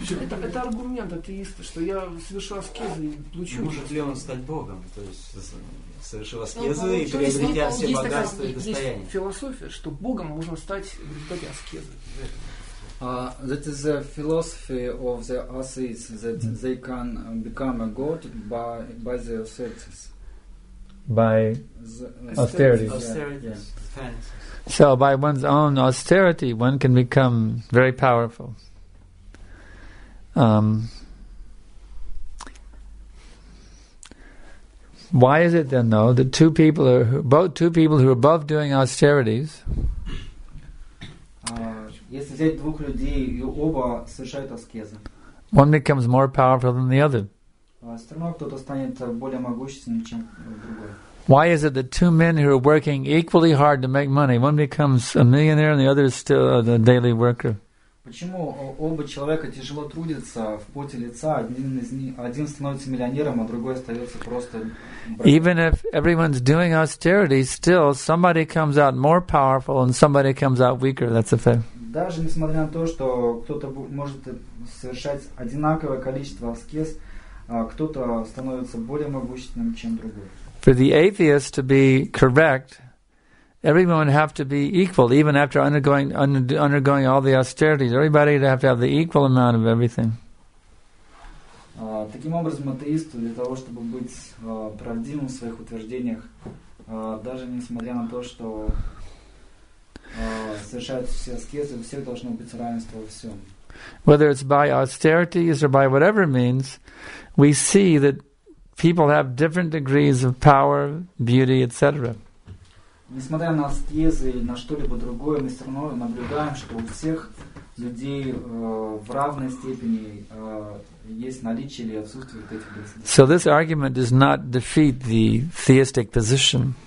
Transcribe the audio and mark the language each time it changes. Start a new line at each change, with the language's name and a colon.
Russian: Это аргумент атеиста, что я совершу аскезы и получу. Может ли он стать богом? То есть совершил аскезы и приобретя все богатства и достояние. Философия, что богом можно стать в результате аскезы.
English: That is the philosophy of the atheists, that they can become a god by their austerities. By austerities. Austerities. Yeah. So by one's own austerity, one can become very powerful. Why is it then, though, that two people who are both doing austerities?
Russian: Если взять двух людей, и оба совершают аскезы.
English: One becomes more powerful than the other.
Russian: Все равно кто-то станет более могущественным, чем другой.
English: Why is it that two men who are working equally hard to make money, one becomes a millionaire and the other is still a daily worker?
Russian: Почему оба человека тяжело трудятся в поте лица, один становится миллионером, а другой остается просто...
English: Even if everyone's doing austerity, still somebody comes out more powerful and somebody comes out weaker, that's a fact.
Russian: Даже несмотря на то, что кто-то может совершать одинаковое количество аскез, кто-то становится более могущественным, чем другой.
English: For the atheist to be correct, everyone would have to be equal, even after undergoing all the austerities. Everybody would have to have the equal amount of everything.
Russian: Таким образом, атеисту для того, чтобы быть правдивым в своих утверждениях, даже несмотря на то, что совершаются все аскезы, все должно быть равенство во всем.
English: Whether it's by austerities or by whatever means, we see that people have different degrees of power, beauty, etc.
Russian: Несмотря на аскезы или на что-либо другое, мы все равно наблюдаем, что у всех людей в равной степени есть наличие или отсутствие вот этих аскез.
English: So this argument does not defeat the theistic position.